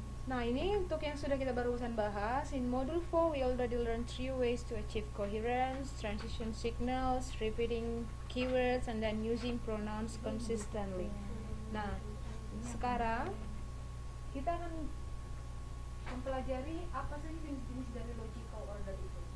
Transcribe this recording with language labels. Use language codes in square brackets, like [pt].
[id] Nah, ini untuk yang sudah kita barusan bahas. [en] In module 4, we already learned 3 ways to achieve coherence, transition signals, repeating keywords, and then using pronouns consistently. [id] Nah, sekarang kita akan mempelajari apa sih jenis-jenis dari logical order itu.